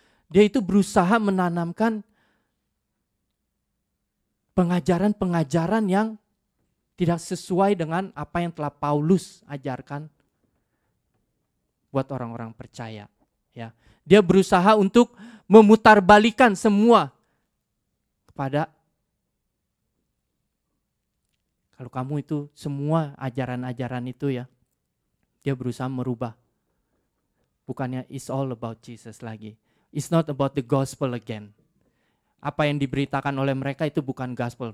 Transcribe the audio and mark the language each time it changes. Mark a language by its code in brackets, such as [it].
[id] Dia itu berusaha menanamkan pengajaran-pengajaran yang tidak sesuai dengan apa yang telah Paulus ajarkan buat orang-orang percaya. Ya. Dia berusaha untuk memutarbalikkan semua kepada Kalau kamu itu semua ajaran-ajaran itu ya, dia berusaha merubah. Bukannya [en] it's all about Jesus [id] lagi. [en] It's not about the gospel again. [id] Apa yang diberitakan oleh mereka itu bukan gospel.